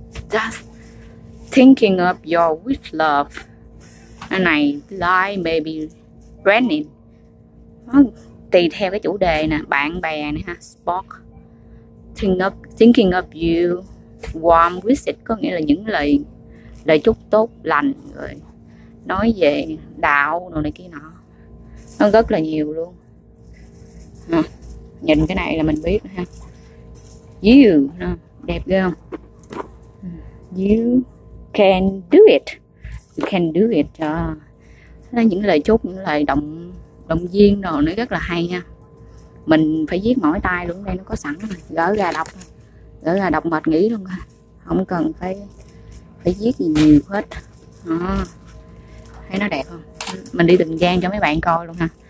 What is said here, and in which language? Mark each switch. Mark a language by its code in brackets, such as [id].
[en] Just thinking of your with love. Này, like maybe branding. [vi] Tùy theo cái chủ đề nè, bạn bè nè ha, sport. [en] Thinking of you warm wishes [vi] có nghĩa là những lời lời chúc tốt lành rồi nói về đạo đồ này kia nọ. Nó rất là nhiều luôn. Nhìn cái này là mình biết ha. You đẹp ghê không? [en] You can do it, you can do it. [vi] Những lời chúc, những lời động động viên đồ nó rất là hay nha. Mình phải viết mỏi tay luôn, đây nó có sẵn, gỡ ra đọc, gỡ ra đọc mệt nghỉ luôn, không cần phải phải viết gì nhiều hết. À, thấy nó đẹp không? Mình đi từng trang cho mấy bạn coi luôn ha.